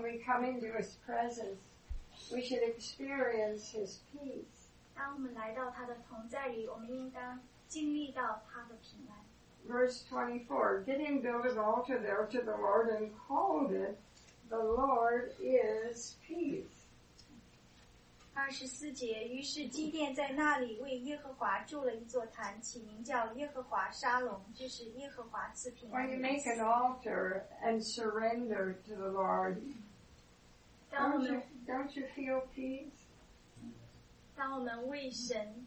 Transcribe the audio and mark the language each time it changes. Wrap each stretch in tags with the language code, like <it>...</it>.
<en>When we come into his presence, we should experience his peace.</en> <zh>当我们来到他的同在里, 我们应当经历到他的平安。</zh> <en>Verse 24, Gideon built an altar there to the Lord and called it, The Lord is Peace.</en> <zh>24节，于是基甸在那里为耶和华筑了一座坛，起名叫耶和华沙龙，就是耶和华赐平安。</zh> <en>When you make an altar and surrender to the Lord, don't you feel peace?</en>